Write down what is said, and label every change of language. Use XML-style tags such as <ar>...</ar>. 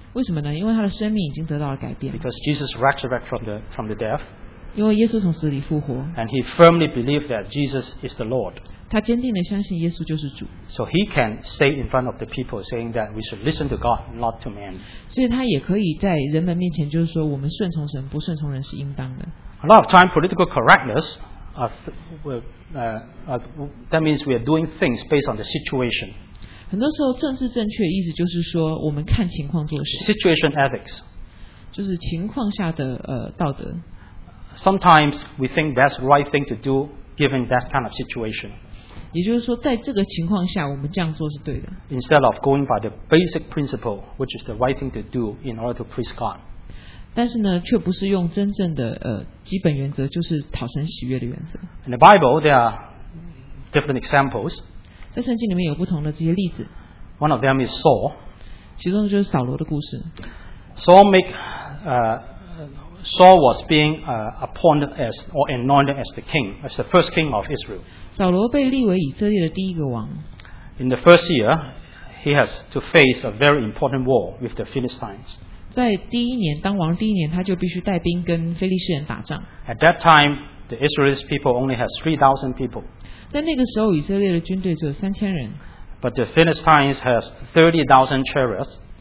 <zh>为什么呢？因为他的生命已经得到了改变。</zh> <en>Because Jesus resurrected from the death.</en> <zh>因为耶稣从死里复活。</zh> <en>And he firmly believed that Jesus is the Lord.</en> <zh>他坚定地相信耶稣就是主。</zh> <en>So he can say in front of the people, saying that we should listen to God, not to man.</en> <zh>所以他也可以在人们面前，就是说我们顺从神，不顺从人是应当的。</zh> <en>A lot of time, political correctness, that means we are doing things based on the situation.</en> <zh>很多时候，政治正确意思就是说我们看情况做事。</zh> <en>Situation ethics,</en> <zh>就是情况下的道德。</zh> <en>Sometimes we think that's the right thing to do, given that kind of situation.</en> <zh>也就是说，在这个情况下，我们这样做是对的。</zh> <en>Instead of going by the basic principle, which is the right thing to do in order to please God.</en> <zh>但是呢，却不是用真正的基本原则，就是讨神喜悦的原则。</zh> <en>In the Bible, there are different examples.</en> <zh>在圣经里面有不同的这些例子。</zh> <en>One of them is Saul.</en> <zh>其中就是扫罗的故事。</zh> <en>Saul was being appointed as or anointed as the king, as the first king of Israel.</en> <zh>扫罗被立为以色列的第一个王。</zh> <en>In the first year, he has to face a very important war with the Philistines.</en> <zh>在第一年当王第一年，他就必须带兵跟非利士人打仗。</zh> <en>At that time, the Israelite people only has 3,000 people.</en> <zh>在那个时候，以色列的军队只有3,000人。</zh> <en>But the Philistines has 30,000 chariots.</en>